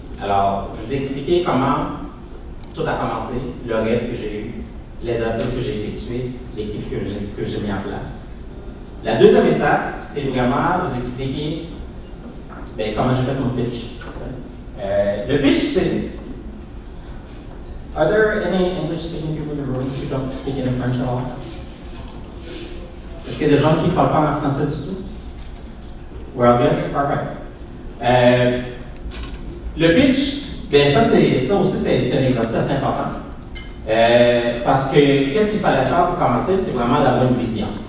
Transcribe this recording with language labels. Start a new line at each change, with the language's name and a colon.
French: Alors, je vais vous expliquer comment tout a commencé, le rêve que j'ai eu, les appels que j'ai effectués, l'équipe que j'ai mis en place. La deuxième étape, c'est vraiment vous expliquer bien, comment j'ai fait mon pitch. Le pitch, c'est...
English: Are there any English-speaking people in the room who don't speak any French at all?
French: Est-ce qu'il y a des gens qui ne parlent pas en français du tout?
English: We're all good?
French: Perfect. Le pitch, bien, ça aussi, c'est un exercice assez important. Parce que, qu'est-ce qu'il fallait faire pour commencer, c'est vraiment d'avoir une vision.